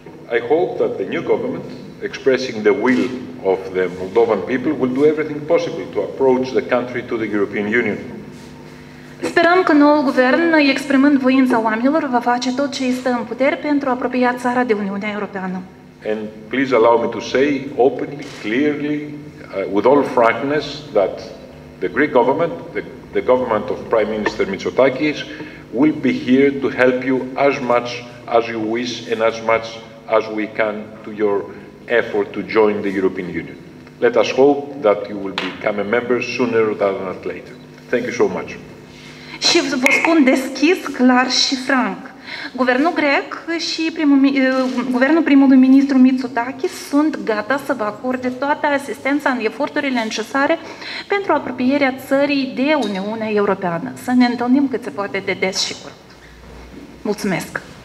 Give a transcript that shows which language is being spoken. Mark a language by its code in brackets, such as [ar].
[en] I hope that the new government, expressing the will of the Moldovan people, will do everything possible to approach the country to the European Union. [ro] Sperăm că noul guvern, exprimând voința oamenilor, va face tot ce este în putere pentru a apropia țara de Uniunea Europeană. [en] And please allow me to say openly, clearly, with all frankness, that the Greek government, the government of Prime Minister Mitsotakis, will be here to help you as much as you wish and as much as we can to your effort to join the European Union. Let us hope that you will become a member sooner rather than later. Thank you so much. [ro] Și vă spun deschis, clar și franc. Guvernul grec și guvernul primului ministru Mitsotakis sunt gata să vă acorde toată asistența în eforturile necesare pentru apropierea țării de Uniunea Europeană. Să ne întâlnim cât se poate de des și curând. Mulțumesc.